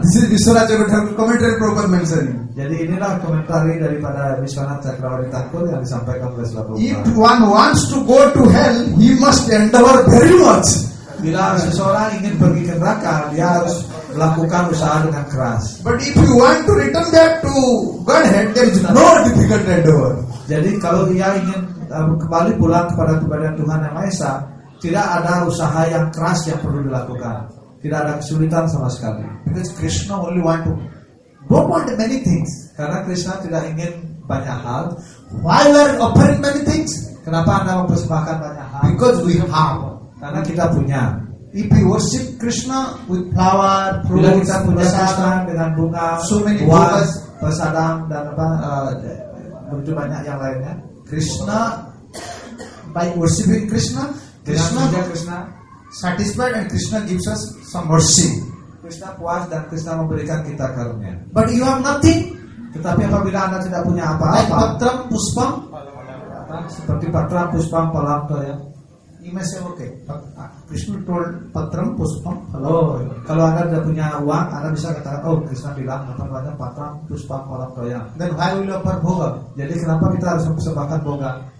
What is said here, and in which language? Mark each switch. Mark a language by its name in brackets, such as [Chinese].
[English] This is Vishwanath Chakravarti commentary proper mentioning. [Indonesian] Jadi inilah komentari daripada Vishwanath Chakravarti Thakur yang disampaikan oleh Srila Prabhupada. [English] If one wants to go to hell, he must endeavor very much. [Indonesian] Bila seseorang ingin pergi ke neraka, dia harus melakukan usaha dengan keras. [English] But if you want to return back to Godhead, there is no difficult endeavor. [Indonesian] Jadi kalau dia ingin kembali pulang kepada kepada Tuhan Yang Maha Esa, tidak ada usaha yang keras yang perlu dilakukan. Tidak ada kesulitan sama sekali. [English] Because Krishna only want to don't want many things. [Indonesian] Karena Krishna tidak ingin banyak hal. [English] Why we are offering many things? [Indonesian] Kenapa Anda mempersembahkan banyak hal? [English] Because we have. [Indonesian] Karena kita punya. [English] If we worship Krishna with flower, fruits, [Indonesian] bila kita punya Krishna dengan bunga, [English] so many buah, [Indonesian] persadam dan apa begitu banyak yang lainnya. [English] Krishna by worshiping Krishna, Krishna satisfied and Krishna gives us some mercy. [Indonesian] Krishna puas dan Krishna memberikan kita karunia. [English] But you have nothing. [Indonesian] Tetapi apabila Anda tidak punya apa-apa. [Sanskrit] Like patram puspam. [Indonesian] Seperti [Sanskrit] patram puspam palam toh ya. [English] You may say okay. Krishna told [Sanskrit] patram puspam [Indonesian] palam. Oh, kalau Anda tidak punya uang, Anda bisa katakan, oh Krishna bilang apa namanya [Sanskrit] patram puspam palam toh ya. [English] Then why will you offer bhoga? [Indonesian] Jadi kenapa kita harus mempersembahkan bhoga?